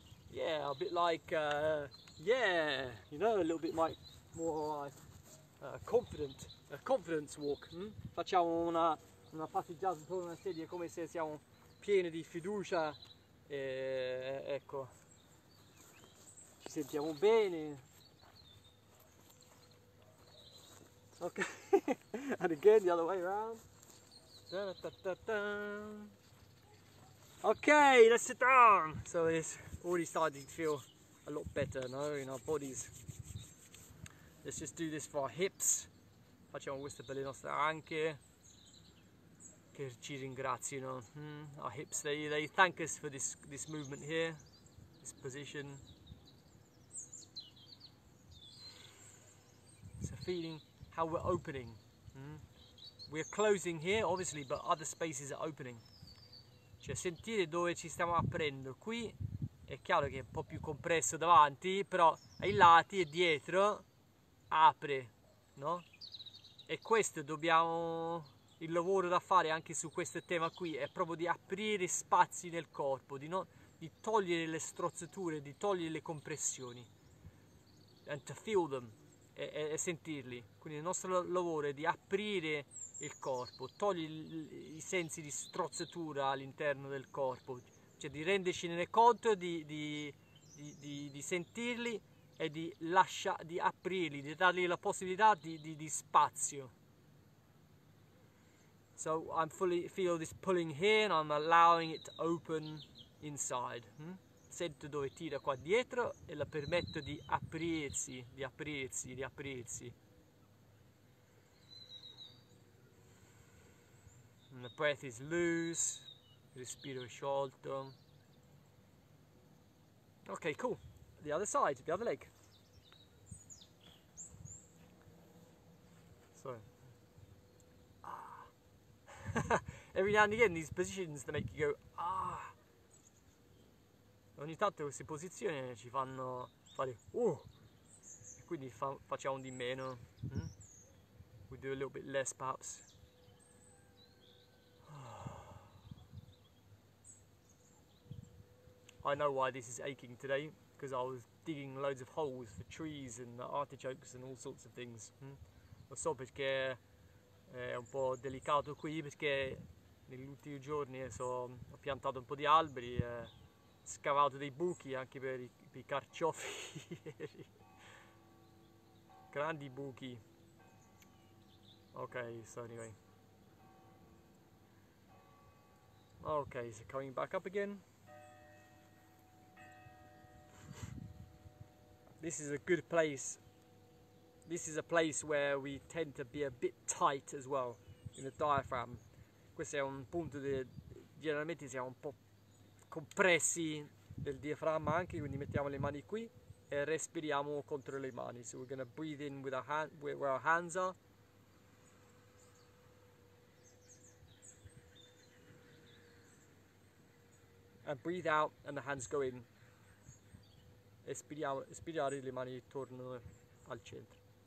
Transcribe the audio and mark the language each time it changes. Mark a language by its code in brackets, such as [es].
[en] Yeah, a bit like, you know, a little bit like more like confident, a confidence walk. Hmm? [it] Facciamo una passeggiata intorno alla sedia come se siamo pieni di fiducia e ecco, ci sentiamo bene. [en] Okay, and again the other way around. Okay, let's sit down. So this. Already starting to feel a lot better, no, in our bodies. Let's just do this for our hips. Facciamo questo per le nostre anche, che ci ringraziano. Our hips, they thank us for this movement here, this position. So feeling how we're opening. We're closing here, obviously, but other spaces are opening. [it] Cioè sentire dove ci stiamo aprendo qui. È chiaro che è un po' più compresso davanti, però ai lati e dietro apre, no? E questo dobbiamo, il lavoro da fare anche su questo tema qui, è proprio di aprire spazi nel corpo, di togliere le strozzature, di togliere le compressioni, [en] and to feel them, [it] e sentirli. Quindi il nostro lavoro è di aprire il corpo, togliere i sensi di strozzatura all'interno del corpo, cioè di rendercene conto, di sentirli e di lasciarli, di aprirli, di dargli la possibilità di spazio. [en] So I'm fully feel this pulling here and I'm allowing it to open inside. [it] Sento dove tira qua dietro e la permetto di aprirsi, di aprirsi, di aprirsi. [en] And the breath is loose, [it] respiro sciolto. [en] Okay, cool. The other side, the other leg. So. Ah. Every now and again, these positions that make you go, ah. [it] Ogni tanto queste posizioni ci fanno fare, E quindi facciamo di meno. [en] We do a little bit less, perhaps. I know why this is aching today, because I was digging loads of holes for trees and artichokes and all sorts of things. [it] Lo so perché è un po' delicato qui, perché negli ultimi giorni ho piantato un po' di alberi e scavato dei buchi anche per i carciofi. Grandi buchi. [en] Okay, so anyway. Okay, so coming back up again. This is a good place. This is a place where we tend to be a bit tight as well in the diaphragm. [it] Questo è un punto dove generalmente siamo un po' compressi nel diaframma anche, quindi mettiamo le mani qui e respiriamo contro le mani. [en] So we're going to breathe in with our hand, where our hands are. And breathe out and the hands go in. [it] Espirare, le mani tornano al centro.